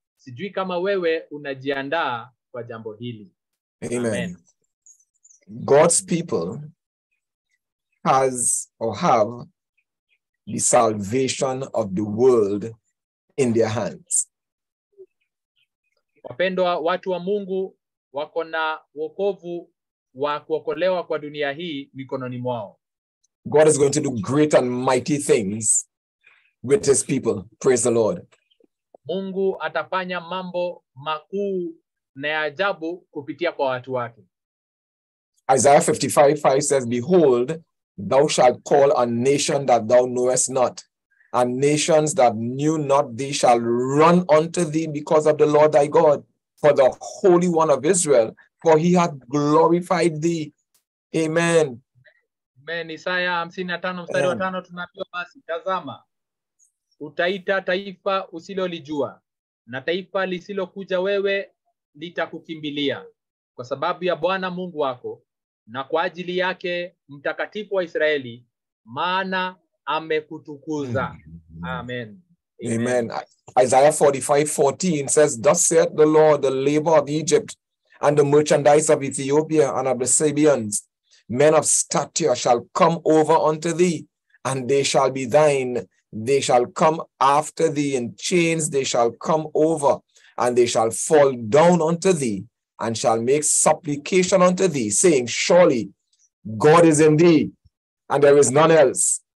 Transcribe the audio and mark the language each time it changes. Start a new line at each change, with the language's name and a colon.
Swahili: Sijui kama wewe unajiandaa kwa jambo hili.
English: Amen. Amen. God's people have the salvation of the world in their hands.
Swahili: Wapendwa, watu wa Mungu wako na wokovu wa kuokolewa kwa dunia hii mikononi mwao.
English: God is going to do great and mighty things with his people. Praise the Lord.
Swahili: Mungu atafanya mambo makuu na ajabu kupitia kwa watu wake.
English: Isaiah 55:5 says, behold, thou shalt call a nation that thou knowest not, and nations that knew not thee shall run unto thee because of the Lord thy God, for the Holy One of Israel, for he hath glorified thee. Amen.
Swahili: Amen. Isaiah 55 mstari wa 5 tunapiwa basi, tazama, utaita taifa usilolijua, na taifa lisilokuja wewe nitakukimbilia kwa sababu ya Bwana Mungu wako na kwa ajili yake mtakatifu wa Israeli, maana amekutukuza.
English: Amen. Amen. Amen. Isaiah 45:14 says, thus saith the Lord, the labor of Egypt and the merchandise of Ethiopia and of the Sabians, men of stature shall come over unto thee, and they shall be thine. They shall come after thee in chains, they shall come over, and they shall fall down unto thee, and shall make supplication unto thee, saying, surely God is in thee, and there is none else.